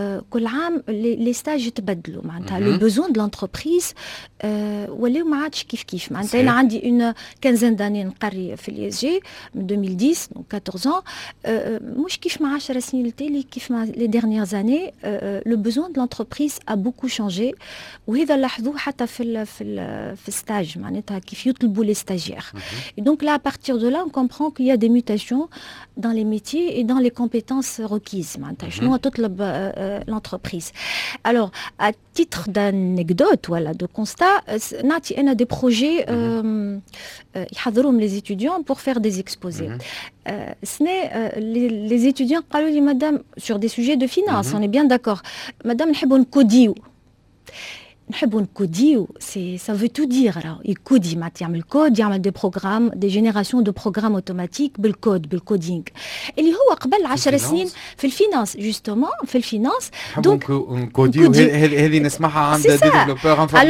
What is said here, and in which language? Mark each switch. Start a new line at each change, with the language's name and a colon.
Arabic: كل عام لي ستاج يتبدلوا معناتها
French: لو بوزون دو لونتربريز
Arabic: ولاو ما عادش كيف كيف معناتها انا عندي
French: اون كانزان داني
Arabic: نقري في لي اس جي من 2010 دونك 14 ans مش كيف مع 10 سنين التالي كيف مع
French: لي ديرنيير زاني le besoin de l'entreprise a beaucoup changé. Oui, dans la
Arabic: حدو حتى في الستاج معناتها كيف يطلبوا
French: les stagiaires. Et donc là, à partir de là, on comprend qu'il y a des mutations dans les métiers et dans les compétences requises
Arabic: معناتها شنو تطلب
French: l'entreprise. Alors, à titre d'anecdote ou voilà, de constat,
Arabic: نعطي انا
French: des projets
Arabic: يحضروهم
French: les étudiants pour faire des exposés. Les étudiants
Arabic: قالوا لي
French: madame sur des sujets de finance, on est bien d'accord.
Arabic: Madame, نحبوا نكوديو. نحبوا نكوديو,
French: c'est ça veut tout dire là. Il codi ma terme le code, il y a des programmes, des générations de programmes automatiques
Arabic: بالكود بالكودينغ. اللي هو قبل 10 سنين في الفينانس
French: justement,
Arabic: في الفينانس.
French: Donc
Arabic: نكوديو هذه نسمعها عند
French: des développeurs informatiques.